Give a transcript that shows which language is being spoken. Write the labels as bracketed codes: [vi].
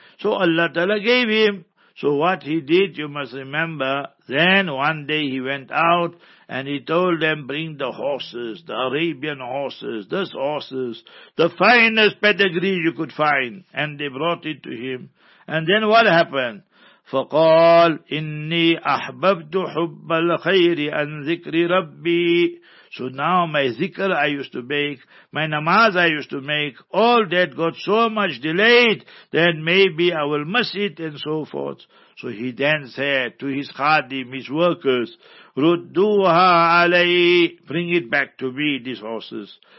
[en] So Allah Ta'ala gave him. So what he did, you must remember, then one day he went out and he told them, bring the horses, the Arabian horses, those horses, the finest pedigree you could find. And they brought it to him. And then what happened? [ar] فقال إني أحببت حب الخير أن ذكر ربي. [en] So now my zikr I used to make, my namaz I used to make, all that got so much delayed that maybe I will miss it and so forth. So he then said to his khadim, his workers, [ar] رُدُّوها عَلَيْهِ, [en] bring it back to me, these horses.